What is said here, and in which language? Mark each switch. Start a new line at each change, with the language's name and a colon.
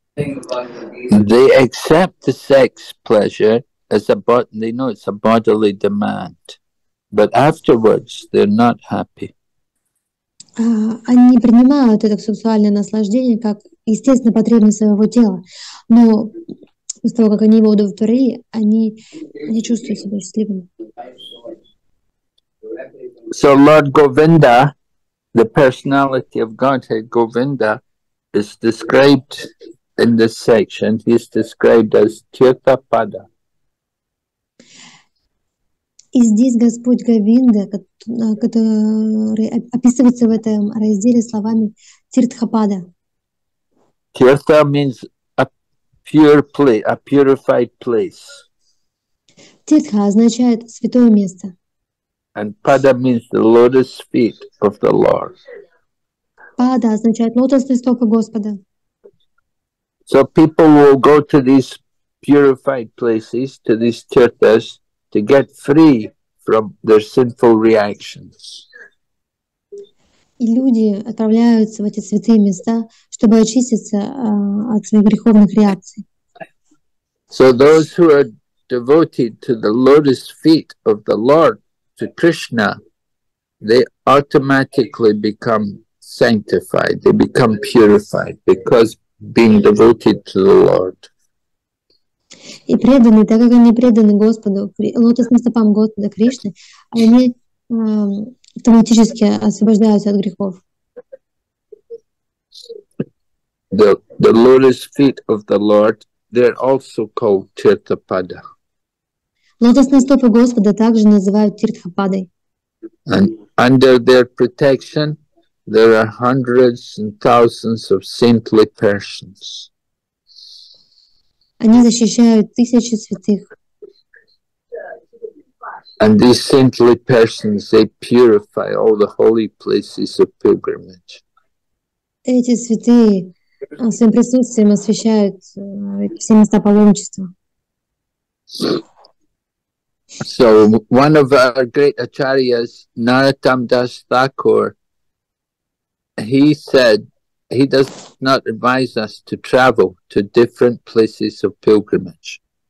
English: They accept the sex pleasure as a body, they know it's a bodily demand, but afterwards they're not happy.
Russian: Они принимают это сексуальное наслаждение как естественную потребность своего тела, но после того, как они его удовлетворили, они не чувствуют себя счастливыми.
English: So Lord Govinda, the personality of Godhead Govinda, is described in this section. He is described as Chirtapada.
Russian: И здесь Господь Говинда, который описывается в этом разделе словами Тиртхапада.
English: Тирта means a pure place, a purified place.
Russian: Тиртха означает святое место.
English: And Pada means the lotus feet of the Lord.
Russian: Пада означает лотосные стопы Господа.
English: So people will go to these purified places, to these tirthas, to get free from their sinful reactions.
Russian: И люди отправляются в эти святые места, чтобы очиститься от своих греховных реакций.
English: So those who are devoted to the lotus feet of the Lord, to Krishna, they automatically become sanctified, they become purified, because being devoted to the Lord.
Russian: И преданные, так как они преданы Господу, лотосным стопам Господа Кришны, они автоматически освобождаются от грехов.
English: The lotus feet of the Lord, they're also called Tirthapada.
Russian: Лотосные стопы Господа также называют Тиртхападой.
English: And under their protection, there are hundreds and thousands of saintly persons.
Russian: Они защищают тысячи святых.
English: And these saintly persons, they purify all the holy places of pilgrimage.
Russian: Эти святые своим присутствием освящают все места паломничества.
English: So one of our great acharyas, Narottam Das Thakur, he said he does not advise us to travel to different places of pilgrimage.